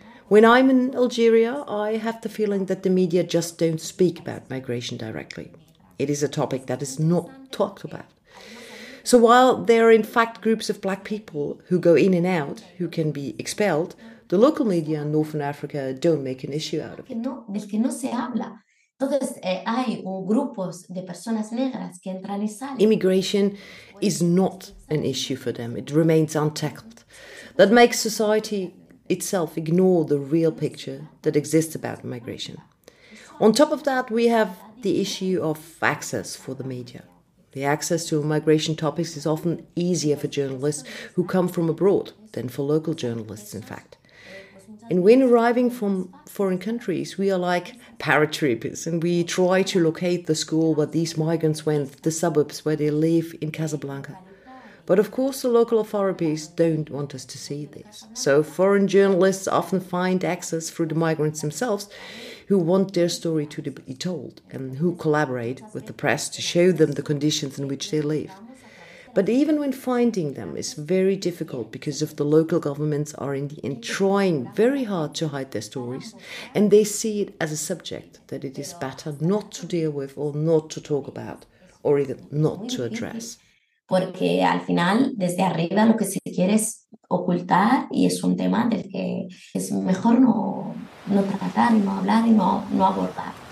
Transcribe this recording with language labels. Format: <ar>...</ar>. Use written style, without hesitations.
<en>When I'm in Algeria, I have the feeling that the media just don't speak about migration directly. It is a topic that is not talked about. So while there are in fact groups of black people who go in and out, who can be expelled, the local media in Northern Africa don't make an issue out of it.</en> <es>No, del que no se habla. Entonces, hay grupos de personas negras que entran y salen.</es> <en>Immigration is not an issue for them. It remains untackled. That makes society itself ignore the real picture that exists about migration. On top of that, we have the issue of access for the media. The access to migration topics is often easier for journalists who come from abroad than for local journalists, in fact. And when arriving from foreign countries, we are like paratroopers and we try to locate the school where these migrants went, the suburbs where they live in Casablanca. But of course, the local authorities don't want us to see this. So foreign journalists often find access through the migrants themselves, who want their story to be told and who collaborate with the press to show them the conditions in which they live. But even when finding them is very difficult because of the local governments are in the end trying very hard to hide their stories, and they see it as a subject that it is better not to deal with or not to talk about or even not to address.</en> <es>Porque al final, desde arriba, lo que se quiere es ocultar y es un tema del que es mejor no tratar y no hablar y no abordar.</es>